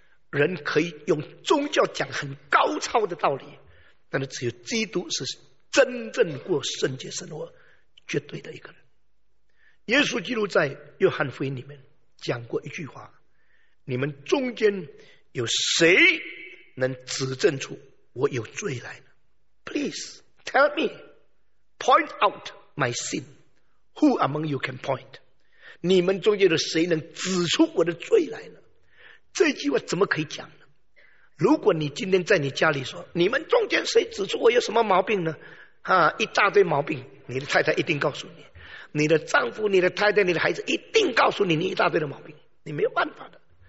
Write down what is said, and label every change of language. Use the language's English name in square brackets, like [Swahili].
[Chinese] 人可以用宗教讲很高超的道理，但是只有基督是真正过圣洁生活绝对的一个人。耶稣基督在约翰福音里面讲过一句话，你们中间有谁能指证出我有罪来呢？ [English] Please tell me, point out my sin. Who among you can point? [Chinese] 你们中间的谁能指出我的罪来呢？这句话怎么可以讲呢？如果你今天在你家里说，你们中间谁指出我有什么毛病呢？啊，一大堆毛病，你的太太一定告诉你，你的丈夫、你的太太、你的孩子一定告诉你，你一大堆的毛病，你没有办法的。